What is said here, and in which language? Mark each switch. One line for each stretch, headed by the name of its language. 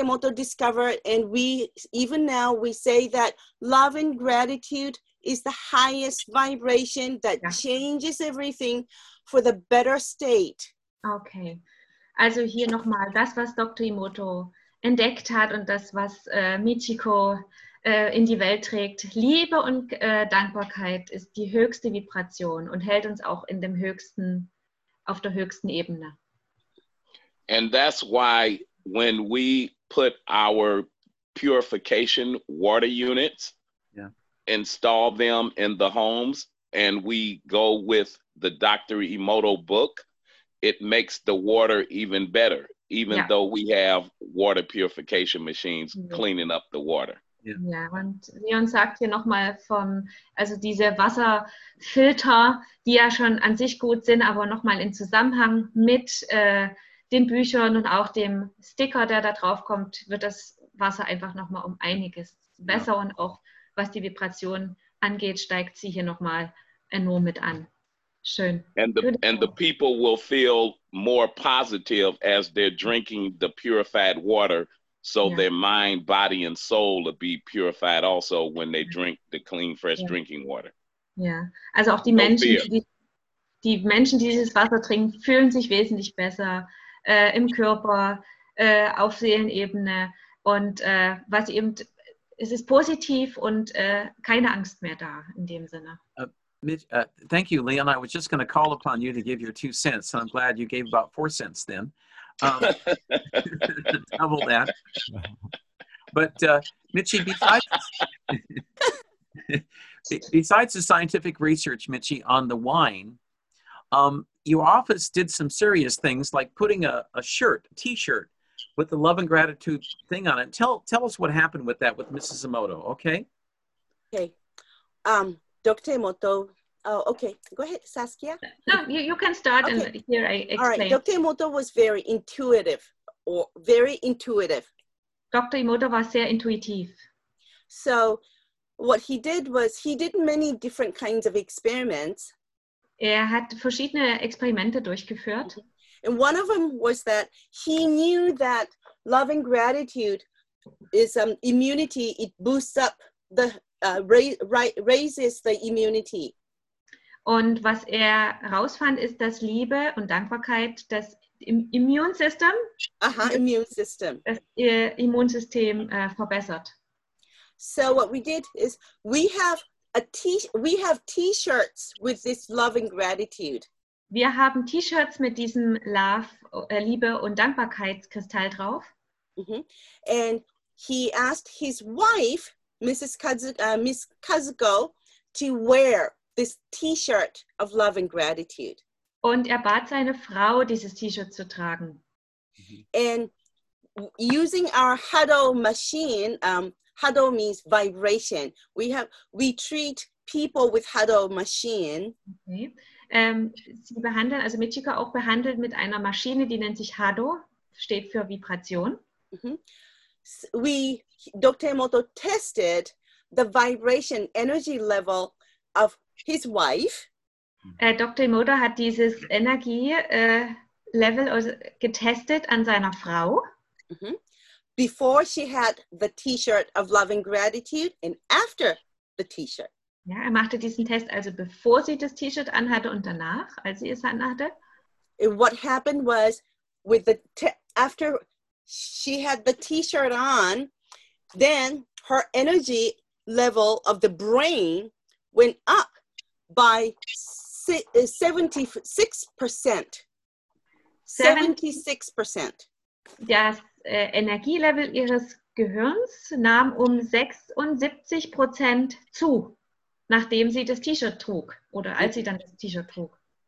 English: Emoto discovered, and we, even now, we say that love and gratitude is the highest vibration that changes everything for the better state.
German: Okay. Also hier nochmal, das, was Dr. Emoto entdeckt hat und das, was Michiko in die Welt trägt. Liebe und Dankbarkeit ist die höchste Vibration und hält uns auch in dem höchsten, auf der höchsten Ebene.
English: And that's why when we put our purification water units, install them in the homes, and we go with the Dr. Emoto book, it makes the water even better, even though we have water purification machines cleaning up the water.
German: Ja, und Leon sagt hier nochmal vom, also diese Wasserfilter, die ja schon an sich gut sind, aber nochmal in Zusammenhang mit den Büchern und auch dem Sticker, der da drauf kommt, wird das Wasser einfach nochmal um einiges besser und auch was die Vibration angeht, steigt sie hier nochmal enorm mit an. Schön.
English: And the people will feel more positive as they're drinking the purified water. So their mind, body and soul will be purified also when they drink the clean, fresh drinking water.
German: Ja, also auch die Menschen, die Menschen, die dieses Wasser trinken, fühlen sich wesentlich besser im Körper, auf Seelenebene. Und was eben, es ist positiv und keine Angst mehr da in dem Sinne.
English: Thank you, Leon. I was just going to call upon you to give your 2 cents. I'm glad you gave about 4 cents then. double that. But Michi, besides the scientific research, Michi, on the wine, your office did some serious things like putting a t-shirt with the love and gratitude thing on it. Tell us what happened with that with Mrs. Emoto, okay? Okay. Dr. Emoto. Oh, okay. Go ahead, Saskia. No, you can start and here I explain. All right, Dr. Emoto was very intuitive,
German: Dr. Emoto was sehr intuitiv.
English: So what he did was he did many different kinds of experiments.
German: Er hat verschiedene Experimente durchgeführt.
English: And one of them was that he knew that love and gratitude is immunity. It boosts up the, raises the immunity.
German: Und was er herausfand, ist, dass Liebe und Dankbarkeit das Immunsystem, Immunsystem verbessert.
English: So what we did is we have T-shirts with this love and gratitude.
German: Wir haben T-Shirts mit diesem Liebe und Dankbarkeitskristall drauf. Mm-hmm.
English: And he asked his wife, Miss Kazuko, to wear this T-shirt of love and gratitude.
German: Und er bat seine Frau, dieses T-Shirt zu tragen.
English: And using our Hado machine, Hado means vibration. We treat people with Hado machine. Okay.
German: Sie behandeln, also Michika auch behandelt mit einer Maschine, die nennt sich Hado, steht für Vibration. Mm-hmm. Dr.
English: Emoto tested the vibration energy level of his wife.
German: Dr. Emoto hat dieses Energielevel getestet an seiner Frau. Mm-hmm.
English: Before she had the T-shirt of love and gratitude and after the T-shirt.
German: Ja, er machte diesen Test also bevor sie das T-Shirt anhatte und danach, als sie es anhatte.
English: What happened was with the after she had the T-shirt on, then her energy level of the brain went up by 76%.
German: Das Energielevel ihres Gehirns nahm 76% zu, nachdem sie das T-Shirt trug oder als sie dann das T-Shirt trug.